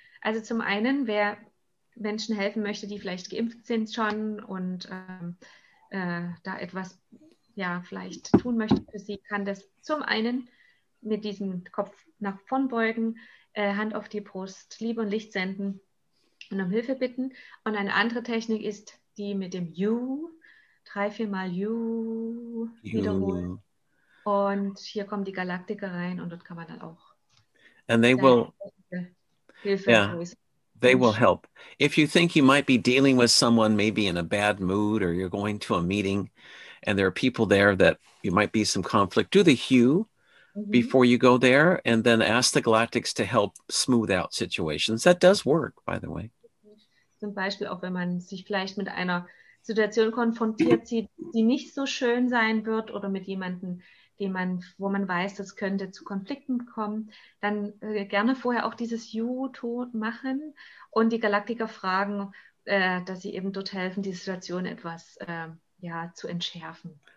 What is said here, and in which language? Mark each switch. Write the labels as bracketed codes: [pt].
[de] Also zum einen, wer Menschen helfen möchte, die vielleicht geimpft sind schon und da etwas ja vielleicht tun möchte für sie, kann das zum einen mit diesem Kopf nach vorn beugen, Hand auf die Brust, Liebe und Licht senden und um Hilfe bitten. Und eine andere Technik ist die mit dem You, 3-4 Mal You, wiederholen. Und hier kommen die Galaktiker rein und dort kann man dann auch. [en] And they will, [de] Hilfe. [en] Yeah, they will help. If you think you might be dealing with someone maybe in a bad mood or you're going to a meeting and there are people there that you might be some conflict, do the hue mm-hmm. before you go there and then ask the Galactics to help smooth out situations. That does work, by the way. [de] Zum Beispiel auch, wenn man sich vielleicht mit einer Situation konfrontiert sieht, die nicht so schön sein wird oder mit jemandem, den man, wo man weiß, das könnte zu Konflikten kommen, dann gerne vorher auch dieses You-Ton machen und die Galaktiker fragen, dass sie eben dort helfen, die Situation etwas ja, zu entschärfen.